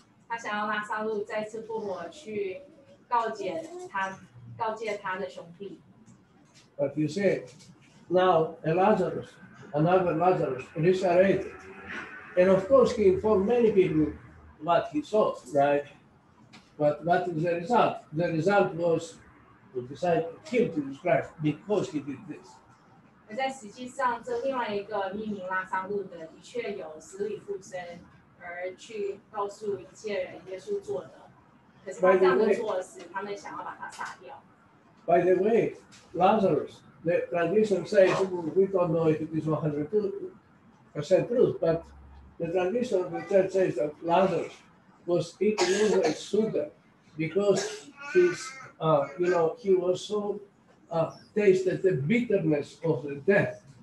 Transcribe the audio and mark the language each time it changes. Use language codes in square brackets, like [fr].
[zh] 他想要拉撒路再次复活，去告诫他的兄弟。 [en] But you see, now another Lazarus, resurrected, and of course he informed many people what he saw, right? But what was the result? The result was. To decide to kill Jesus Christ because he did this. [zh] 而在实际上，这另外一个匿名拉撒路的，的确有死里复生，而去告诉一切人耶稣做的。可是他这样的做时，他们想要把他杀掉。 [en] By the way, Lazarus, the tradition says we don't know if it is 100% truth, but the tradition of the church says that Lazarus was eating Israel's sugar because he's. He was so tasted the bitterness of the death.